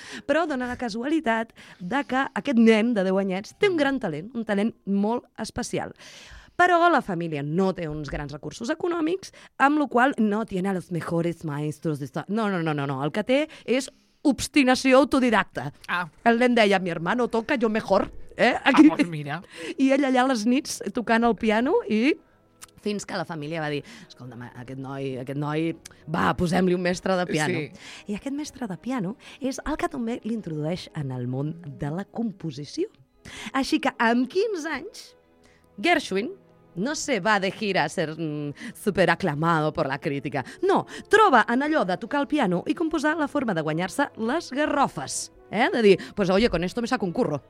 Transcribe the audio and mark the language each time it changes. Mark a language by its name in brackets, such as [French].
[Catalan] Però dona la casualitat de que aquest nen de 10 anyets té un gran talent, un talent molt especial. Però la família no té uns grans recursos econòmics, amb la qual [Spanish] no tiene los mejores maestros. [Catalan] No. El que té és obstinació autodidacta. Ah. El nen deia, [Spanish] mi hermano toca, yo mejor. [Catalan] Aquí. Ah, [Spanish] pues mira. [Catalan] I ell allà a les nits tocant el piano i fins que la família va dir, escolta'm, aquest noi, va, posem-li un mestre de piano. Sí. I aquest mestre de piano és el que també l'introdueix en el món de la composició. Així que amb 15 anys, Gershwin [Spanish] no se va de gira a ser superaclamado [Catalan] per la crítica. No, troba en allò de tocar el piano i composar la forma de guanyar-se les garrofes. [Spanish] De dir, pues oye, con esto me saco un curro.